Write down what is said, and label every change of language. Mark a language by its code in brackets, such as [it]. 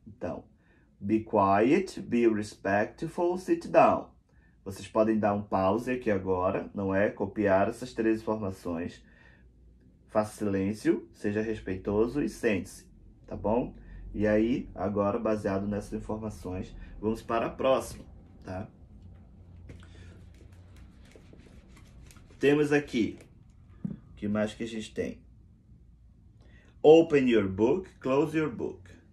[en] Então, be quiet, be respectful, sit down. [pt] Vocês podem dar um pause aqui agora, não é? Copiar essas 3 informações. Faça silêncio, seja respeitoso e sente-se. Tá bom? E aí, agora, baseado nessas informações, vamos para a próxima, tá? Temos aqui. O que mais que a gente tem? [en] Open your book, close your book.